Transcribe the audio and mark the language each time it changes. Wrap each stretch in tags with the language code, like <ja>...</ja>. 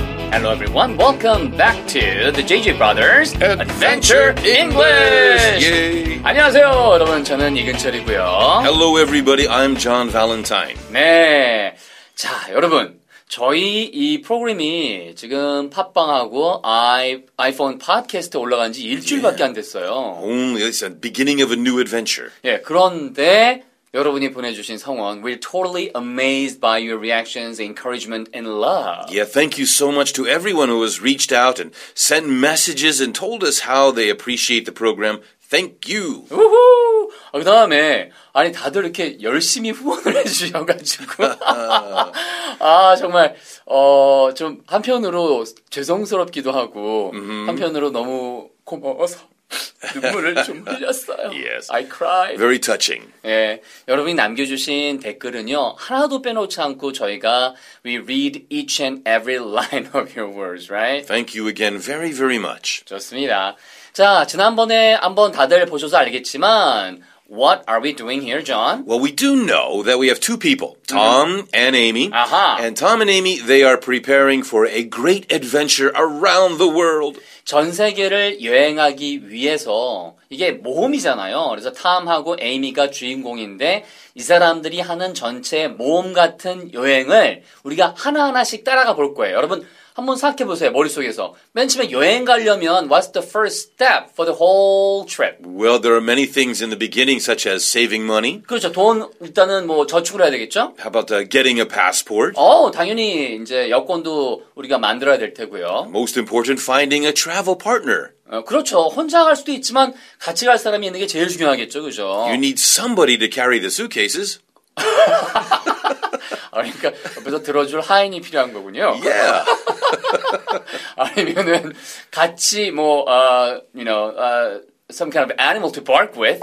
<en>Hello everyone, welcome back to the JJ Brothers Adventure English! Yay.</en> <ko>안녕하세요 여러분, 저는 이근철이고요.</ko> <en>Hello everybody, I'm John Valentine.</en> <ko>네, 자 여러분, 저희 이 프로그램이 지금 팟빵하고 아이폰 팟캐스트에 올라간 지 일주일밖에 안 됐어요.</ko> <en>Only it's the beginning of a new adventure.</en> <ko>예, 그런데 여러분이 보내주신 성원,</ko> <en>we're totally amazed by your reactions, encouragement, and love. Yeah, thank you so much to everyone who has reached out and sent messages and told us how they appreciate the program. Thank you. 우후!</en> <ko>아, 그 다음에, 아니, 다들 이렇게 열심히 후원을 해주셔가지고. 아, 정말, 좀, 한편으로 죄송스럽기도 하고, mm-hmm. 한편으로 너무 고마워서. 눈물을 좀 흘렸어요.</ko> <en>Yes. I cried. Very touching.</en> <ko>예, 여러분이 남겨주신 댓글은요 하나도 빼놓지 않고 저희가</ko> <en>we read each and every line of your words, right? Thank you again, very, very much.</en> <ko>좋습니다. 자, 지난번에 한번 다들 보셔서 알겠지만.</ko> <en>What are we doing here, John? Well, we do know that we have two people, Tom mm-hmm. and Amy. Aha. And Tom and Amy, they are preparing for a great adventure around the world.</en> <ko>전 세계를 여행하기 위해서 이게 모험이잖아요. 그래서 Tom하고 Amy가 주인공인데 이 사람들이 하는 전체 모험 같은 여행을 우리가 하나하나씩 따라가 볼 거예요. 여러분 한번 생각해 보세요. 머릿속에서. 맨 처음에 여행 가려면</ko> <en>what's the first step for the whole trip? Well, there are many things in the beginning such as saving money.</en> <ko>그렇죠. 돈 일단은 뭐 저축을 해야 되겠죠?</ko> <en>How about the getting a passport?</en> <ko>당연히 이제 여권도 우리가 만들어야 될 테고요.</ko> <en>Most important finding a travel partner.</en> <ko>그렇죠. 혼자 갈 수도 있지만 같이 갈 사람이 있는 게 제일 중요하겠죠. 그죠?</ko> <en>You need somebody to carry the suitcases.</en> <ko>그러니까 옆에서 들어줄 하인이 필요한 거군요.</ko> <en>Yeah.</en> <ko>아니면은 같이 뭐</ko> <en>you know, some kind of animal to bark with.</en>